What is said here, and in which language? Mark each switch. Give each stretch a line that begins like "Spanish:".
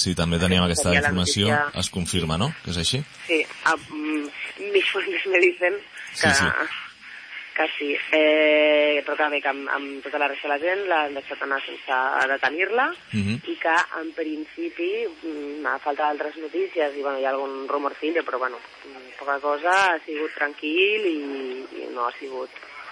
Catalan: Sí, també teníem aquesta informació, notícia... es confirma, no?, que és així.
Spanish: Sí, mis fuentes me dicen que...
Catalan: Sí, sí. Quasi. Però que bé, que amb tota la resta de la gent l'han deixat anar sense detenir-la uh-huh. i que, en principi, a falta d'altres notícies, i bueno, hi ha algun rumorcillo, però bueno, poca cosa, ha sigut tranquil i no ha sigut...